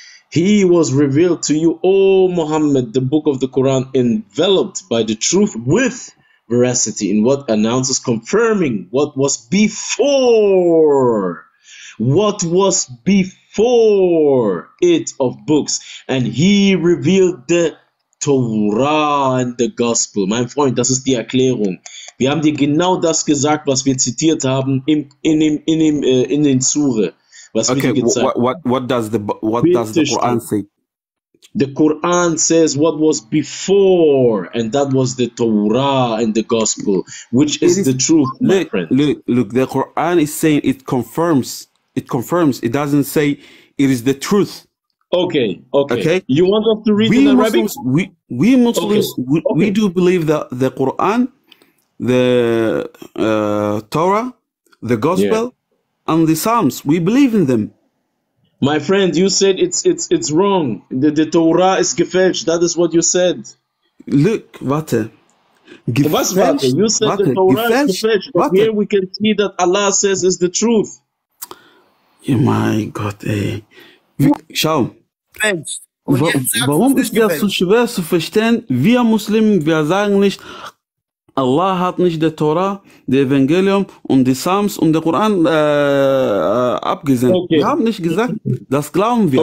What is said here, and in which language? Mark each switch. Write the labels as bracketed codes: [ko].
[en] He was revealed to you, O Muhammad, the book of the Quran, enveloped by the truth with veracity in what announces, confirming what was before. What was before it of books. And he revealed the Torah and the Gospel. [de] Mein Freund, das ist die Erklärung. Wir haben dir genau das gesagt, was wir zitiert haben in den Sure. Was [en] okay, what does the Quran say? The Quran says what was before, and that was the Torah and the Gospel, which is the truth, my friend. Look, the Quran is saying it confirms, it doesn't say it is the truth. Okay. You want us to read in Arabic? We Muslims do believe that the Quran, the Torah, the Gospel, yeah. And the Psalms, we believe in them. My friend, you said it's wrong. The Torah is [de] gefälscht. [en] That is what you said. Look, [de] warte. Was warte? [en] You said [de] warte. [en] The Torah [de] gefälscht. [en] Is gefälscht. But [de] warte. [en] Here we can see that Allah says is the truth. Yeah, my God, ey. [de] Schau. Warum ist das so schwer zu verstehen? Wir Muslimen, wir sagen nicht, Allah hat nicht die Tora, die Evangelium und die Psalms und der Koran abgesendet. Okay. Wir haben nicht gesagt, das glauben wir.